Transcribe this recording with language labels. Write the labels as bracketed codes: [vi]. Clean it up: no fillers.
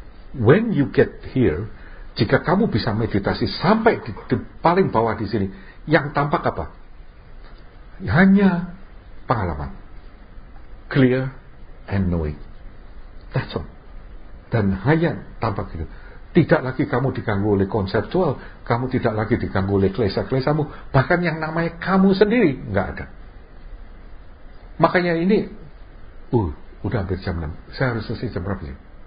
[en] When you get here, [id] jika kamu bisa meditasi sampai di paling bawah di sini, yang tampak apa? Hanya pengalaman, [en] clear and knowing. That's all. [id] Dan hanya tampak itu. Tidak lagi kamu diganggu oleh konseptual, kamu tidak lagi diganggu oleh klesa-klesamu, bahkan yang namanya kamu sendiri enggak ada. Makanya ini, udah hampir jam 6. Saya harus selesai jam berapa ini?